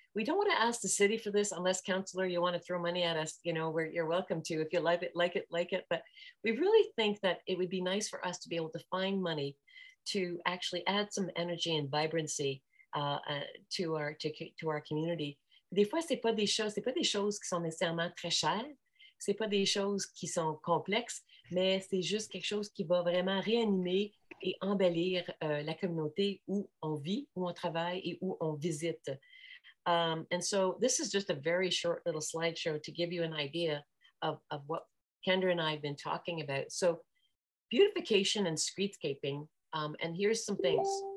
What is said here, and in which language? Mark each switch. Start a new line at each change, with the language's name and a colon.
English: We don't want to ask the city for this unless, counselor, you want to throw money at us. You know, you're welcome to if you like it. But we really think that it would be nice for us to be able to find money to actually add some energy and vibrancy to our community.
French: Des fois, c'est pas des choses qui sont nécessairement très chères. C'est pas des choses qui sont complexes, mais c'est juste quelque chose qui va vraiment réanimer et embellir la communauté où on vit, où on travaille et où on visite.
English: And so this is just a very short little slideshow to give you an idea of what Kendra and I have been talking about. So beautification and streetscaping, and here's some things.